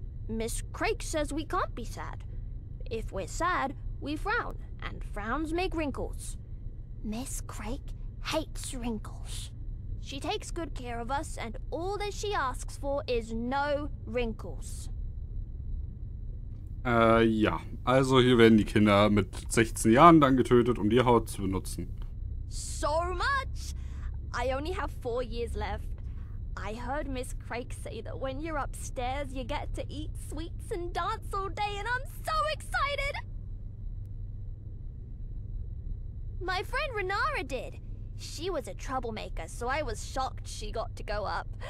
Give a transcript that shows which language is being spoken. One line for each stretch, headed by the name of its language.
English: Miss Craig says we can't be sad. If we're sad, we frown, and frowns make wrinkles. Miss Craig hates wrinkles. She takes good care of us, and all that she asks for is no wrinkles.
German: Ja. Also hier werden die Kinder mit 16 Jahren dann getötet, um die Haut zu benutzen.
English: So much! I only have 4 years left. I heard Miss Craig say that when you're upstairs, you get to eat sweets and dance all day, and I'm so excited! My friend Renara did. She was a troublemaker, so I was shocked she got to go up.